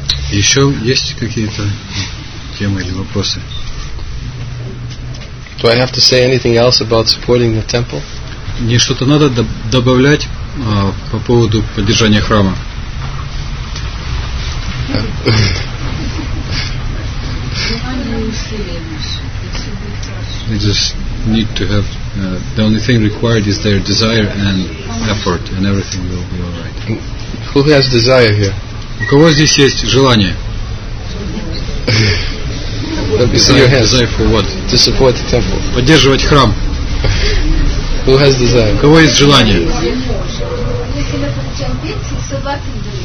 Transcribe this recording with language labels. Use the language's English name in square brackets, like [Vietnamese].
[Russian] Еще есть какие-то темы или вопросы? [English] Do I have to say anything else about supporting the temple? [Russian] Мне что-то надо добавлять по поводу поддержания храма. [English] They just need to have the only thing required is their desire and effort, and everything will be all right. Who has desire here? [Russian] У кого здесь есть желание? [English] Desire for what? To support the temple. [Russian] Поддерживать храм. [English] Who has desire? [Russian] У кого есть желание? Если это чем пить,